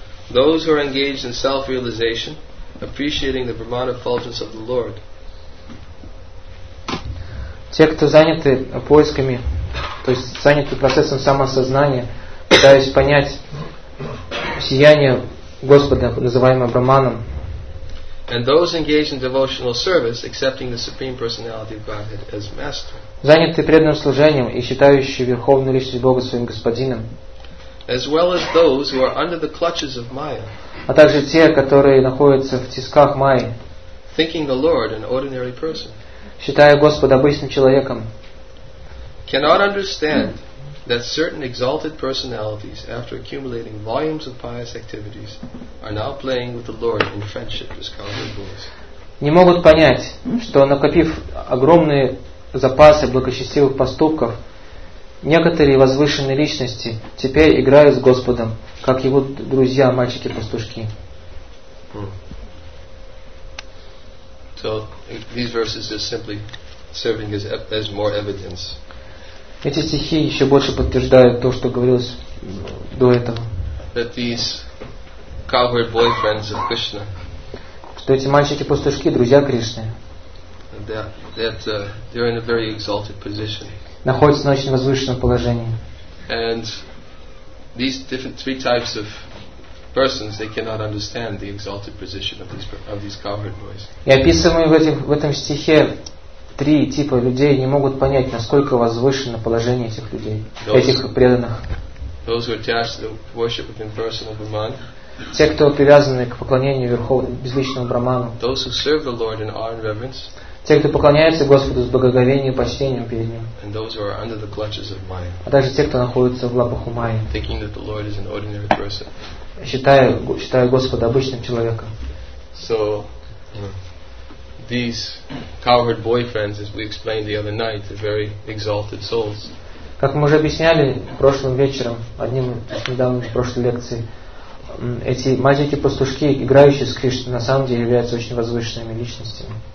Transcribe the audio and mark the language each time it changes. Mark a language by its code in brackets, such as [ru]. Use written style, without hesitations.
[en] Those who are engaged in self-realization, appreciating the Brahman effulgence of the Lord. [ru] Те, кто заняты поисками, то есть заняты процессом самосознания, пытаясь понять сияние Господа, называемое Браманом. [en] And those engaged in devotional service, accepting the Supreme Personality of Godhead as Master. [ru] Занятые преданным служением и считающие Верховную Личность Бога своим Господином. [en] As well as those who are under the clutches of Maya. [ru] А также те, которые находятся в тисках Майи. [en] Thinking the Lord an ordinary person. [ru] Считая Господа обычным человеком. [en] Cannot understand that certain exalted personalities, after accumulating volumes of pious activities, are now playing with the Lord in friendship as cowherd bulls. [ru] Не могут понять, что накопив огромные запасы благочестивых поступков, некоторые возвышенные личности теперь играют с Господом, как его друзья, мальчики-пастушки. [en] So these verses are simply serving as more evidence. [ru] Эти стихи еще больше подтверждают то, что говорилось до этого. [en] That these cowherd boyfriends of Krishna, [ru] что эти мальчики-пастушки, друзья Кришны, [en] that they're in a very exalted position. [ru] Находятся на очень возвышенном положении. [en] And these different three types of persons, they cannot understand the exalted position of these cowherd boys. [ru] И описываемые в этом стихе три типа людей не могут понять, насколько возвышено положение этих людей, этих преданных. [en] Those who attach to worship of impersonal Brahman. [ru] Те, кто привязаны к поклонению верховному безличному Брахману. [en] Those who serve the Lord in awe and reverence. [ru] Те, кто поклоняется Господу с благоговением и почтением перед Ним. [en] And those who are under the clutches of Maya. [ru] А также те, кто находится в лапах у Майи. [en] Thinking that the Lord is an ordinary person. [ru] Считая Господа обычным человеком. [en] So these cowherd boyfriends, as we explained the other night, are very exalted souls. [ru] Как мы уже объясняли прошлым вечером, одним из недавних прошлой лекции, эти мальчики-пастушки, играющие с Кришной, на самом деле являются очень возвышенными личностями.